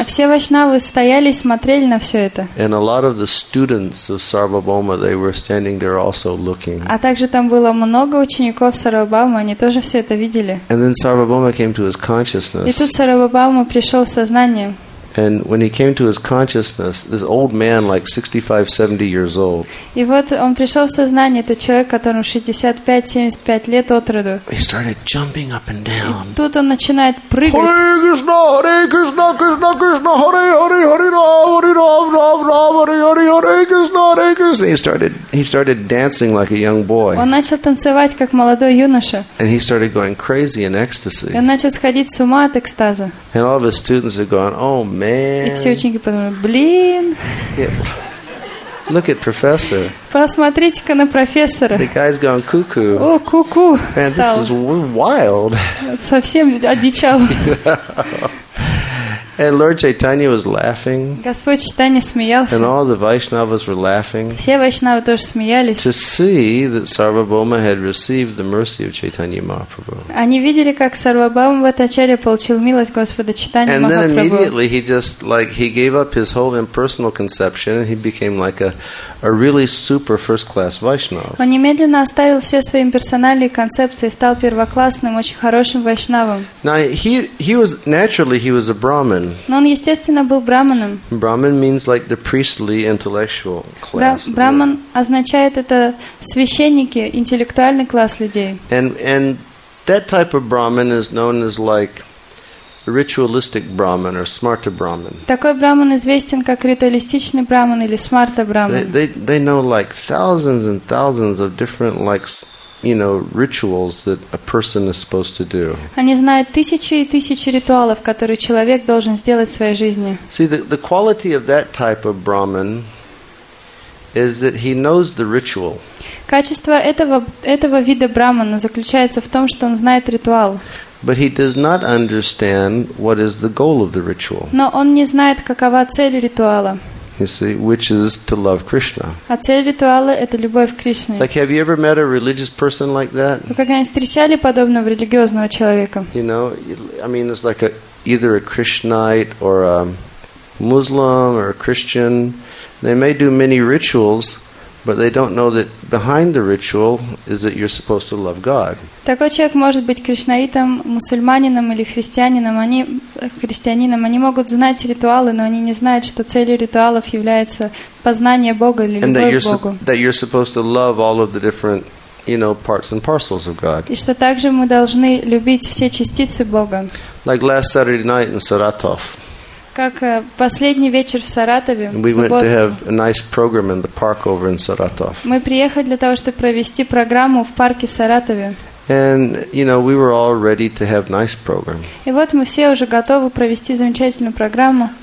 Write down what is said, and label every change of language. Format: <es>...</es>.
<ru>А все Вайшнавы стояли и смотрели на все это.</ru> <en>And a lot of the students of Sarvabhauma, they were standing there also looking.</en> <ru>А также там было много учеников Сарвабхаумы, они тоже все это видели.</ru> <en>And then Sarvabhauma came to his consciousness.</en> <ru>И тут Сарвабхаума пришел в сознание.</ru> <en>And when he came to his consciousness, this old man, like 65-70 years old.</en> <ru>И вот он пришел в сознание, этот человек, которому 65-75 лет от роду.</ru> <en>He started jumping up and down.</en> <ru>И тут он начинает прыгать.</ru> <sa>Hare Krishna, Hare Krishna, Krishna Krishna, Hare Hare, Hare Rama, Hare Rama, Rama Rama, Hare Hare, Hare Krishna, Hare Krishna.</sa> <en>He started dancing like a young boy.</en> <ru>Он начал танцевать как молодой юноша.</ru> <en>And he started going crazy in ecstasy.</en> <ru>Он начал сходить с ума от экстаза.</ru> <en>And all of his students are going, "Oh man."</en> <ru>И все ученики подумали, блин.</ru> <en>Look at professor.</en> <ru>Посмотрите-ка на профессора.</ru> <en>The guy's gone cuckoo.</en> <ru>О, ку-ку.</ru> <en>And this is wild.</en> <ru>Совсем одичал.</ru> <en>And Lord Chaitanya was laughing.</en> <ru>Господь Чайтанья смеялся.</ru> <en>And all the Vaishnavas were laughing.</en> <ru>Все Вайшнавы тоже смеялись.</ru> <en>To see that Sarvabhauma had received the mercy of Chaitanya Mahaprabhu.</en> <ru>Они видели, как Сарвабхаума Бхаттачарья получил милость Господа Чайтаньи Махапрабху.</ru> <en>And then immediately he just like he gave up his whole impersonal conception and he became like a really super first-class Vaishnava.</en> <ru>Он немедленно оставил все свои имперсональные концепции и стал первоклассным, очень хорошим Вайшнавом.</ru> <en>Now he was a Brahmin.</en> <ru>Но он, естественно, был браманом.</ru> <en>Brahman means like the priestly intellectual class.</en> <ru>Браман означает это священники, интеллектуальный класс людей.</ru> <en>And that type of Brahman is known as like ritualistic Brahman or smarta Brahman.</en> <ru>Такой браман известен как ритуалистичный браман или смарта браман.</ru> <en>They know like thousands and thousands of different like, you know, rituals that a person is supposed to do.</en> <ru>Они знают тысячи и тысячи ритуалов, которые человек должен сделать в своей жизни.</ru> <en>See, the quality of that type of Brahman is that he knows the ritual.</en> <ru>Качество этого вида брахмана заключается в том, что он знает ритуал.</ru> <en>But he does not understand what is the goal of the ritual.</en> <ru>Но он не знает, какова цель ритуала.</ru> <en>You see, which is to love Krishna.</en> <ru>А цель ритуала — это любовь к Кришне.</ru> <en>Like, have you ever met a religious person like that?</en> <ru>Вы когда-нибудь встречали подобного религиозного человека?</ru> <en>You know, I mean, it's like either a Krishnite or a Muslim or a Christian. They may do many rituals, but they don't know that behind the ritual is that you're supposed to love God.</en> <ru>Такой человек может быть кришнаитом, мусульманином или христианином. Они могут знать ритуалы, но они не знают, что целью ритуалов является познание Бога или любовь к Богу.</ru> <en>That you're supposed to love all of the different you know, parts and parcels of God.</en> <ru>И что также мы должны любить все частицы Бога.</ru> <en>Like last Saturday night in Saratov.</en> <ru>Как последний вечер в Саратове.</ru> <en>We went to have a nice program in the park over in Saratov.</en> <ru>Мы приехали для того, чтобы провести программу в парке в Саратове.</ru> <en>And you know, we were all ready to have nice program.</en> <ru>И вот мы все уже готовы провести замечательную программу.</ru>